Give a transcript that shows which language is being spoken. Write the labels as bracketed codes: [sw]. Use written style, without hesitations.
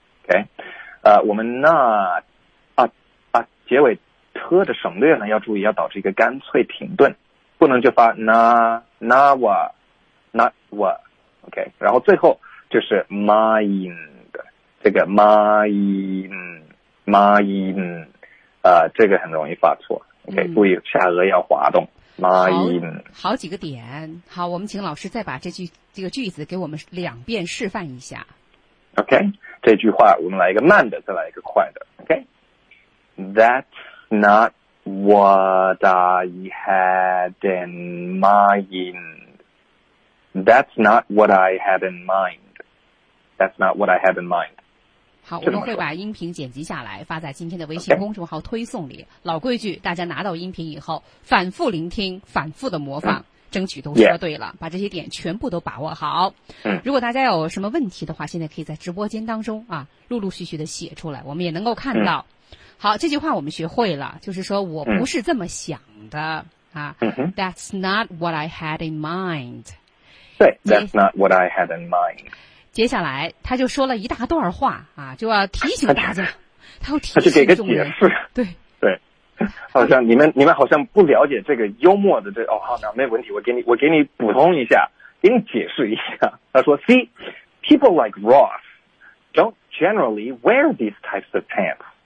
[zh] OK， 我们那结尾 t 的省略呢要注意，要导致一个干脆停顿，不能就发 na wa OK， 然后最后就是 mind， 这个 mind 这个很容易发错。 OK， 注意下颚要滑动。好几个点，好，我们请老师再把这个句子给我们两遍示范一下。 OK， 这句话我们来一个慢的，再来一个快的。 [en] OK， That's not what I had in mind. That's not what I had in mind. That's not what I had in mind. [zh] 好，我们会把音频剪辑下来，发在今天的微信公众号推送里。 [en] Okay. [zh] 老规矩，大家拿到音频以后，反复聆听，反复的模仿。争取都说对了，把这些点全部都把握好。如果大家有什么问题的话，现在可以在直播间当中啊，陆陆续续的写出来，我们也能够看到。好，这句话我们学会了，就是说我不是这么想的啊。 [en] That's not what I had in mind. [zh] 对 [en] ，That's not what I had in mind. [zh] 接下来他就说了一大段话啊，就要提醒大家，他要提醒，他就给个解释，对。好像你们好像不了解这个幽默的这哦，好，那没问题，我给你补充一下，给你解释一下。他说 [en] ，See, people like Ross don't generally wear these types of pants。